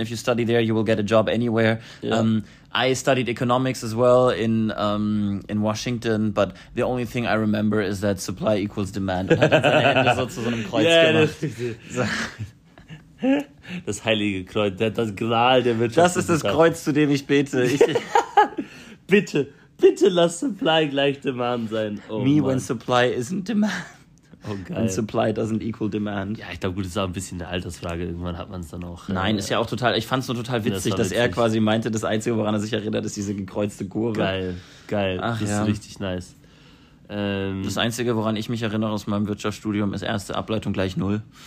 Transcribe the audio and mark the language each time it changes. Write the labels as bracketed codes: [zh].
[en] If you study there, you will get a job anywhere. [de] Ja. [en] I studied economics as well in Washington, but the only thing I remember is that supply equals demand. [de] Und hat dann seine Hände so zu so einem Kreuz gemacht. Das heilige Kreuz, das Gral der Wirtschaft. Das ist das Kreuz, zu dem ich bete. bitte lass Supply gleich Demand sein. Oh, me Mann. [en] When supply isn't demand. [de] Oh, geil. [en] And supply doesn't equal demand. [de] Ja, ich glaube, gut, das ist auch ein bisschen eine Altersfrage. Irgendwann hat man es dann auch. Nein, ist ja auch total, ich fand es nur total witzig, das dass er quasi meinte, das Einzige, woran er sich erinnert, ist diese gekreuzte Kurve. Geil. Ach, das ist richtig nice. Das Einzige, woran ich mich erinnere aus meinem Wirtschaftsstudium, ist erste Ableitung gleich Null.